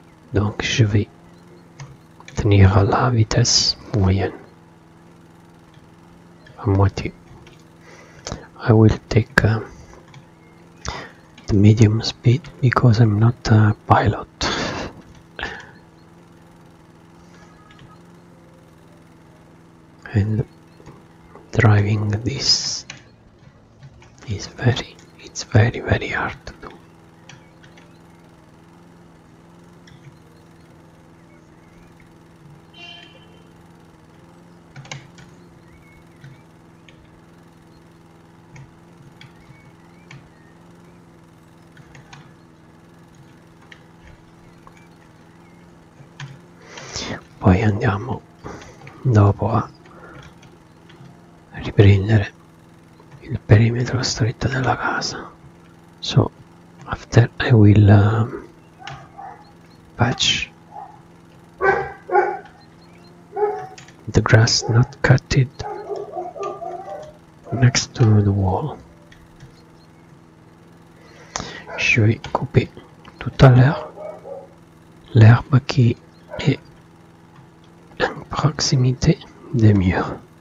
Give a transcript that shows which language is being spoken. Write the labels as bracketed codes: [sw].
[fr] Donc je vais tenir à la vitesse moyenne. À moitié. [en] I will take the medium speed because I'm not a pilot. And driving this is very, it's very, very hard to do. [it] Poi andiamo dopo a riprendere il perimetro stretto della casa. [en] So after I will patch the grass not cut it next to the wall. [fr] Je vais couper tout à l'heure l'herbe qui est en proximité des murs.